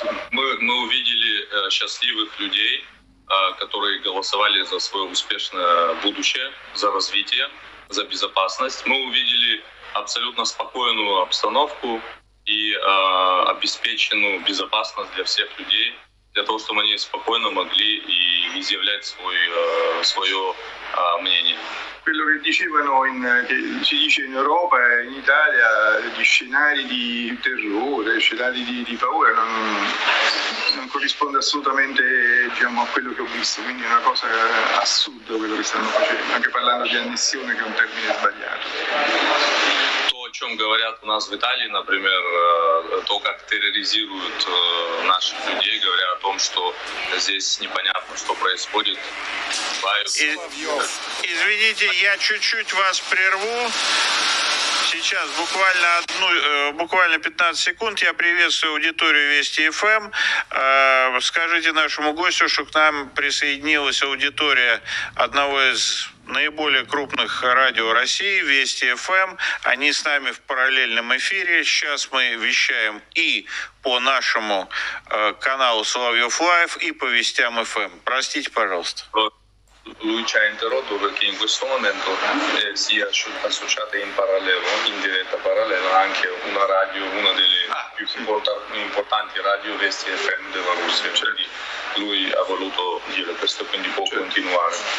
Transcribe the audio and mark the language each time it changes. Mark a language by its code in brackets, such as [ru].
[ru] Мы увидели счастливых людей, которые голосовали за свое успешное будущее, за развитие, за безопасность. Мы увидели абсолютно спокойную обстановку и обеспеченную безопасность для всех людей, для того, чтобы они спокойно могли и изъявлять свое мнение. [it] Quello che dicevano che si dice in Europa e in Italia di scenari di terrore, scenari di paura non corrisponde assolutamente, diciamo, a quello che ho visto, quindi è una cosa assurda quello che stanno facendo, anche parlando di annessione che è un termine sbagliato. [ru] О чем говорят у нас в Италии, например, то, как терроризируют наших людей, говоря о том, что здесь непонятно, что происходит. Извините, я чуть-чуть вас прерву. Сейчас буквально 15 секунд. Я приветствую аудиторию Вести ФМ. Скажите нашему гостю, что к нам присоединилась аудитория одного из наиболее крупных радио России, Вести ФМ. Они с нами в параллельном эфире. Сейчас мы вещаем и по нашему каналу Соловьев Лайв, и по Вестям ФМ. Простите, пожалуйста. [it] Lui ci ha interrotto perché in questo momento si è associata in parallelo, in diretta parallela, anche una radio, una delle più importanti radio Vesti FM della Russia. Cioè, lui ha voluto dire questo, quindi può continuare.